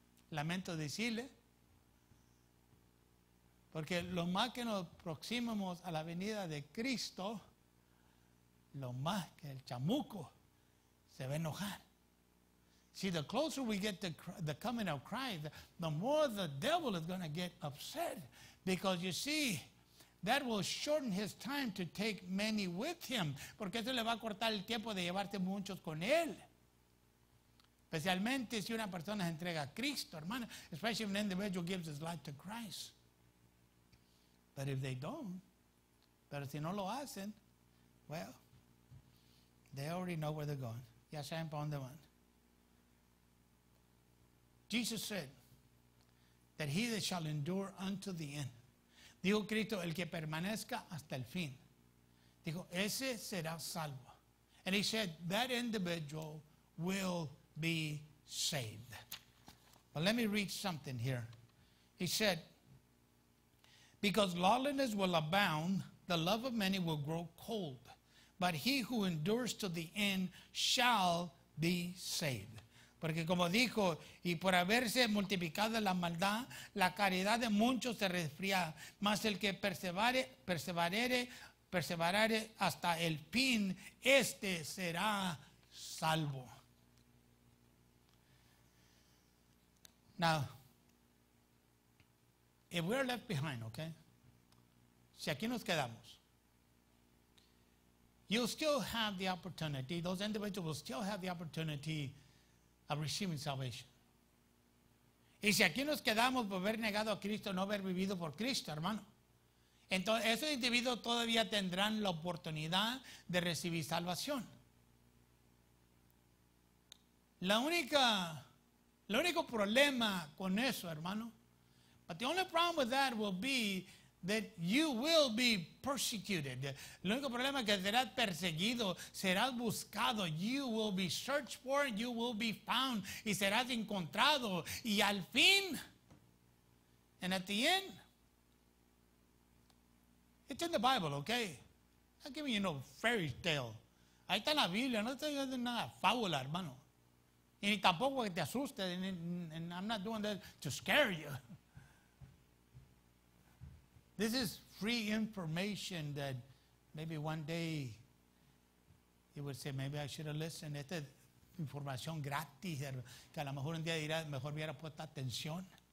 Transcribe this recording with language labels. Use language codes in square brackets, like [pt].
[es] Lamento decirle, porque lo más que nos aproximamos a la venida de Cristo, lo más que el chamuco se va a enojar. [en] See, the closer we get to the coming of Christ, the more the devil is going to get upset. Because you see, that will shorten his time to take many with him. [es] Porque eso le va a cortar el tiempo de llevarte muchos con él. Especialmente si una persona se entrega a Cristo, hermano. [en] Especially if an individual gives his life to Christ. But if they don't, [es] pero si no lo hacen, [en] well, they already know where they're going. [es] Ya saben para dónde van. [en] Jesus said that he that shall endure unto the end. [es] Dijo Cristo, el que permanezca hasta el fin. Dijo, ese será salvo. [en] And he said, that individual will be saved. But let me read something here. He said, because lawlessness will abound, the love of many will grow cold. but he who endures to the end shall be saved. [es] Porque como dijo, y por haberse multiplicado la maldad, la caridad de muchos se resfría, mas el que perseverare hasta el fin, este será salvo. [en] Now, if we are left behind, okay? [es] Si aquí nos quedamos, [en] you still have the opportunity, those individuals still have the opportunity of receiving salvation. [es] Y si aquí nos quedamos por haber negado a Cristo, no haber vivido por Cristo, hermano, entonces esos individuos todavía tendrán la oportunidad de recibir salvación. El único problema con eso, hermano, [en] but the only problem with that will be that you will be persecuted. [es] El único problema es que serás perseguido, serás buscado. [en] You will be searched for, you will be found, [es] y serás encontrado. Y al fin, [en] and at the end, it's in the Bible, okay? I'm not giving you no fairy tale. [es] Ahí está la Biblia, no estoy diciendo nada fábula, hermano. Y ni tampoco que te asuste, [en] and I'm not doing that to scare you. This is free information that maybe one day you would say, maybe I should have listened. [es] Esta es información gratis que a lo mejor un día dirá, mejor hubiera puesto atención.